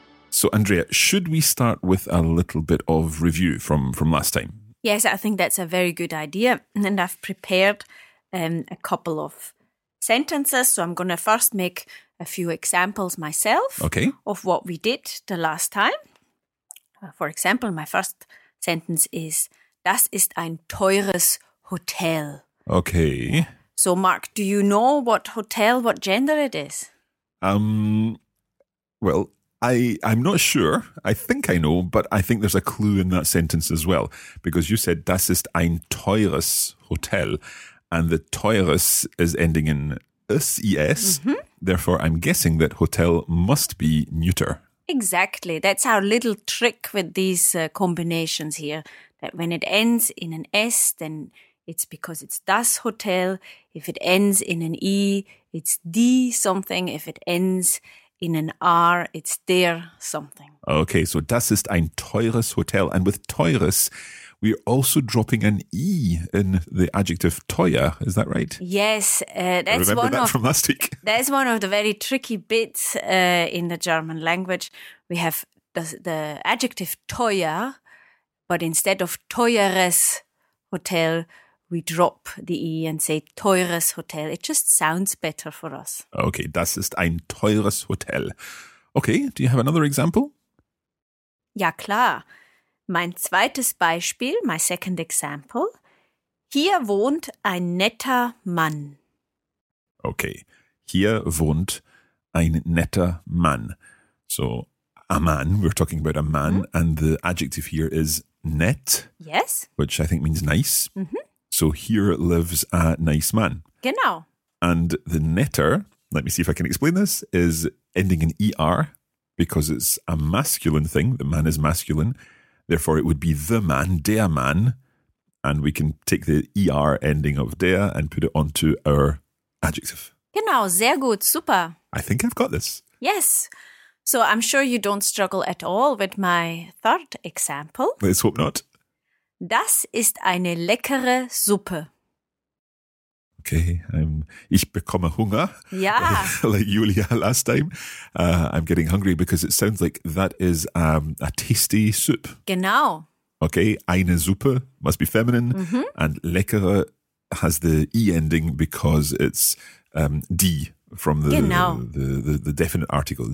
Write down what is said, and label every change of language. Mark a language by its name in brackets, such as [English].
[English] So, Andrea, should we start with a little bit of review from last time? Yes, I think that's a very good idea. And I've prepared a couple of sentences. So I'm going to first make a few examples myself of what we did the last time. For example, my first sentence is, das ist ein teures Hotel. Okay. So, Marc, do you know what hotel, what gender it is? Well, I'm not sure. I think I know, but I think there's a clue in that sentence as well, because you said, das ist ein teures Hotel, and the teures is ending in es. Mm-hmm. Therefore, I'm guessing that hotel must be neuter. Exactly. That's our little trick with these combinations here, that when it ends in an S, then it's because it's das Hotel. If it ends in an E, it's die something. If it ends in an R, it's der something. Okay, so das ist ein teures Hotel. And with teures, we're also dropping an E in the adjective teuer. Is that right? Yes. That's one of the very tricky bits in the German language. We have the adjective teuer, but instead of teures Hotel, we drop the E and say teures Hotel. It just sounds better for us. [German] Okay, das ist ein teures Hotel. [English] Okay, do you have another example? [German] Ja, klar. Mein zweites Beispiel, my second example. Hier wohnt ein netter Mann. Okay, hier wohnt ein netter Mann. [English] So, a man, we're talking about a man, mm-hmm. and the adjective here is nett. Yes. Which I think means nice. Mm-hmm. So here lives a nice man. [German] Genau. [English] And the netter, let me see if I can explain this, is ending in ER because it's a masculine thing. The man is masculine. Therefore, it would be the man, der Mann. and we can take the ER ending of der and put it onto our adjective. [German] Genau, sehr gut, super. [English] I think I've got this. Yes. So I'm sure you don't struggle at all with my third example. Let's hope not. [German] Das ist eine leckere Suppe. Okay, ich bekomme Hunger. Ja. [English] Like Julia last time. I'm getting hungry because it sounds like that is a tasty soup. [German] Genau. [English] Okay, eine Suppe must be feminine. Mm-hmm. And leckere has the E ending because it's D from the definite article.